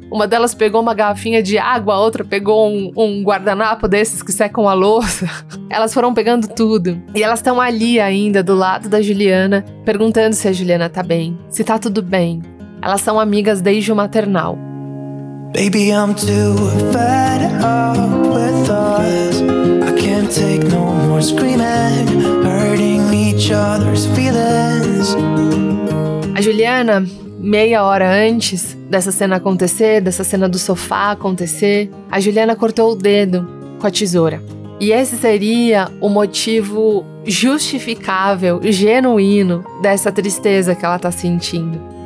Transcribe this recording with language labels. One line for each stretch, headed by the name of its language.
Portuguese: Uma delas pegou uma garrafinha de água, a outra pegou um guardanapo desses que secam a louça. Elas foram pegando tudo. E elas estão ali ainda, do lado da Juliana, perguntando se a Juliana tá bem, se tá tudo bem. Elas são amigas desde o maternal.
English: Baby, I'm too fed up with us. I can't take no more screaming, hurting each other's feelings.
Portuguese: A Juliana, meia hora antes dessa cena acontecer, dessa cena do sofá acontecer, a Juliana cortou o dedo com a tesoura. E esse seria o motivo justificável, genuíno, dessa tristeza que ela tá sentindo.